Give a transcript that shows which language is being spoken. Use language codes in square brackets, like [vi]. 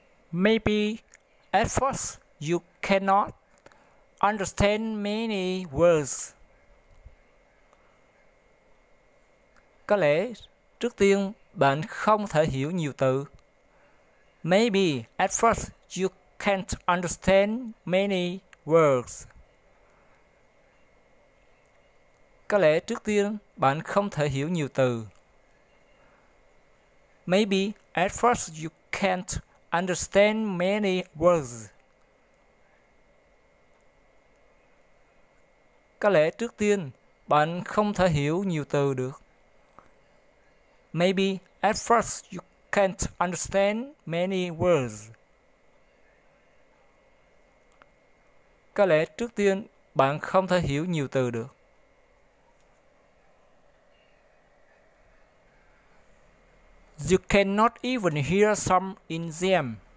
[en] Maybe at first you cannot understand many words. [vi] Có lẽ trước tiên bạn không thể hiểu nhiều từ. [en] Maybe at first you can't understand many words. [vi] Có lẽ trước tiên bạn không thể hiểu nhiều từ. [en] Maybe at first you can't understand many words. [vi] Có lẽ trước tiên bạn không thể hiểu nhiều từ được. [en] Maybe at first you can't understand many words. [vi] Có lẽ trước tiên bạn không thể hiểu nhiều từ được. [en] You cannot even hear some in them.